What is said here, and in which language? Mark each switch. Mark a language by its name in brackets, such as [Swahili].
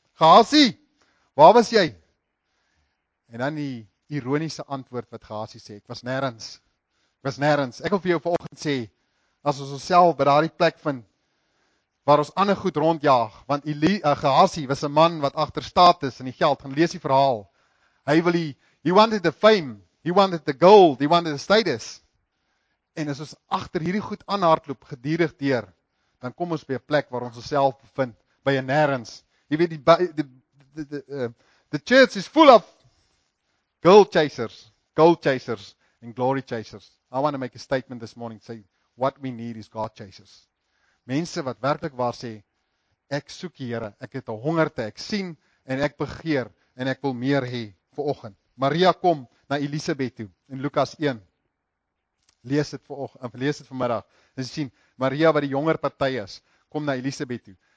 [Afrikaans] Gehasi, waar was jy? En dan die ironiese antwoord wat Gehasi sê, ek was nêrens. Ek wil vir jou vanoggend sê, as ons onsself by daardie plek vind waar ons ander goed rondjaag, want Gehasi was 'n man wat agter status en die geld, gaan lees die verhaal. [English] He wanted the fame, he wanted the gold, he wanted the status. [Afrikaans] En as ons agter hierdie goed aanhardloop gedurig deur, dan kom ons by 'n plek waar ons onsself bevind, by 'n nêrens. Jy weet [English] the church is full of gold chasers and glory chasers. I want to make a statement this morning say what we need is God chasers. [Afrikaans] Mense wat werklik waar sê ek soek die Here, ek het 'n hongerte, ek sien en ek begeer en ek wil meer hê vanoggend. Maria kom na Elisabet toe in Lukas 1. Lees dit vanoggend, lees dit vanmiddag. Jy sien Maria wat die jonger party is, kom na Elisabet toe.